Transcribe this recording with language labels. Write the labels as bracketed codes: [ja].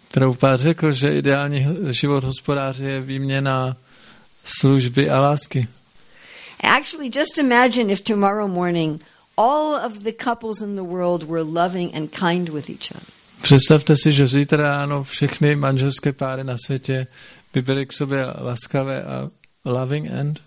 [cs] Prabhupada řekl, že ideální život hospodáře je výměna služby a lásky. [en] Actually, just imagine if tomorrow morning all of the couples in the world were loving and kind with each other. [cs] Představte si, že zítra ráno všechny manželské páry na světě by byly k sobě laskavé a [en] loving and